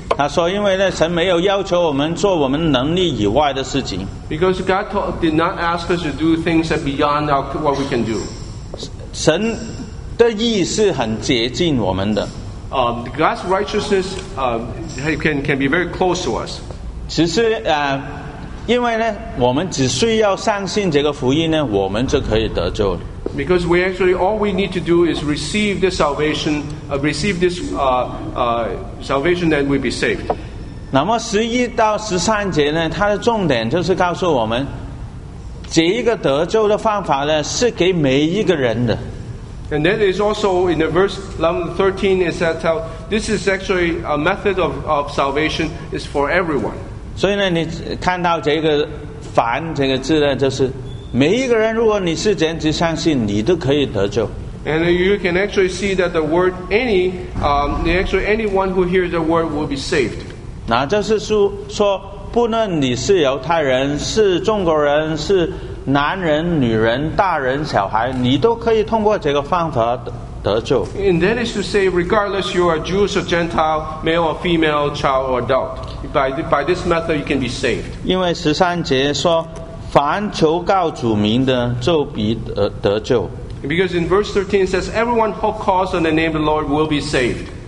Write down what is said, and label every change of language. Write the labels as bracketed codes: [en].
[zh] 他说因为呢神没有要求我们做我们能力以外的事情。 [en] Because God did not ask us to do things that beyond what we can do. [zh] 神的意是很接近我们的。 [en] God's righteousness can be very close to us. [zh] 只是因为呢我们只需要相信这个福音呢我们就可以得救了。 [en] Because we actually all we need to do is receive this salvation, salvation that we be saved. [zh] 那么十一到十三节呢，它的重点就是告诉我们，这一个得救的方法呢，是给每一个人的。 [en] And then it's also in the verse 11-13, it says how this is actually a method of salvation is for everyone. [zh] 所以呢，你看到这个“凡”这个字呢，就是。每一个人，如果你是真实相信，你都可以得救。 [en] And you can actually see that the word any, anyone who hears the word will be saved. [zh] 那就是说，不论你是犹太人、是中国人、是男人、女人、大人、小孩，你都可以通过这个方法得救。 [en] And that is to say, regardless you are Jew or Gentile, male or female, child or adult, by this method you can be saved. [zh] 因为十三节说。凡求告主名的就必 得救 [en] because in verse 13 it says everyone who calls on the name of the Lord will be saved